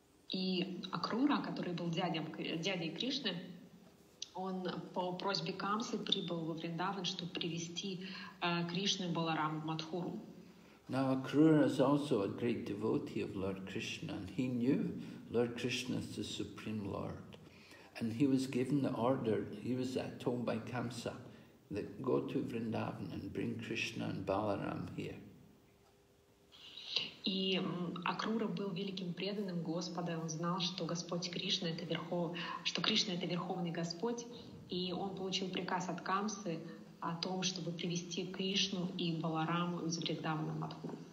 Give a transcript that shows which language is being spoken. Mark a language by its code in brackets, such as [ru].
[ru] И Акрура, который был дядей Кришны, он по просьбе Камсы прибыл во Вриндаван, чтобы привести Кришну и Баларам в Матхуру. [en] Now Akrura is also a great devotee of Lord Krishna, and he knew Lord Krishna is the Supreme Lord. And he was given the order, he was told by Kamsa, that go to Vrindavan and bring Krishna and Balaram here. [ru] И Акрура был великим преданным Господа, он знал, что Господь Кришна — это Верховный Господь, и он получил приказ от Камсы о том, чтобы привести Кришну и Балараму из Вриндавана в Матхуру.